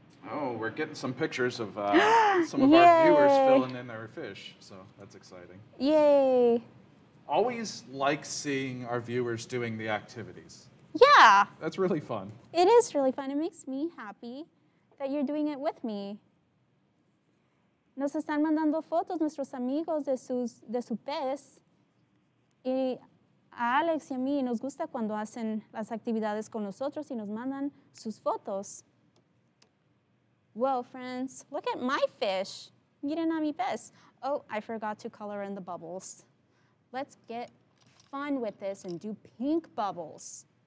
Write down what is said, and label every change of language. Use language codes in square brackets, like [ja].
[en] Oh, we're getting some pictures of some of our viewers filling in their fish, so that's exciting. Yay! Always like seeing our viewers doing the activities. Yeah! That's really fun. It is really fun. It makes me happy that you're doing it with me. [es] Nos están mandando fotos nuestros amigos de su pez. Y a Alex y a mí nos gusta cuando hacen las actividades con nosotros y nos mandan sus fotos. [en] Well, friends, look at my fish. [es] Miren a mi pez. [en] Oh, I forgot to color in the bubbles. Let's get fun with this and do pink bubbles.